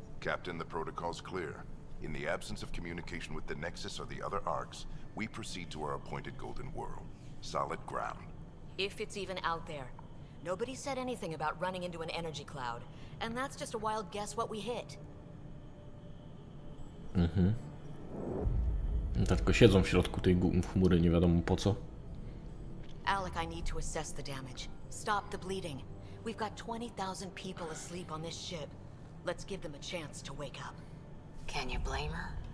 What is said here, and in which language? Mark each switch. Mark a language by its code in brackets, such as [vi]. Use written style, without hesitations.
[en] Captain, the protocol's clear. In the absence of communication with the Nexus or the other arcs, we proceed to our appointed golden world. Solid ground. If it's even out there. Nobody said anything about running into an energy cloud. And that's just a wild guess what we hit. Mhm. [pl] Tylko siedzą w środku tej chmury, nie wiadomo po co. [en] Alec, I need to assess the damage. Stop the bleeding. We've got 20,000 people asleep on this ship. Let's give them a chance to wake up. Can you blame her?